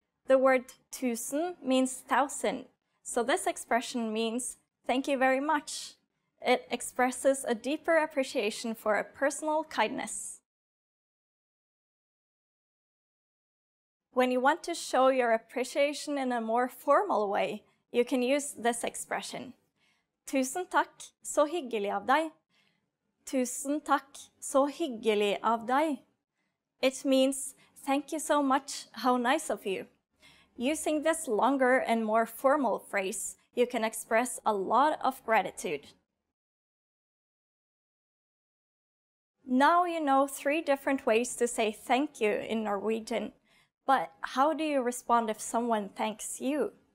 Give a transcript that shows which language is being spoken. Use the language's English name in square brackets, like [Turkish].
[English] The word tusen means thousand. So this expression means thank you very much. It expresses a deeper appreciation for a personal kindness. When you want to show your appreciation in a more formal way, you can use this expression. [Norwegian] Tusen takk, så hyggelig av deg. Tusen takk, så hyggelig av deg. [English] It means, thank you so much, how nice of you. Using this longer and more formal phrase, you can express a lot of gratitude. Now you know three different ways to say thank you in Norwegian, but how do you respond if someone thanks you?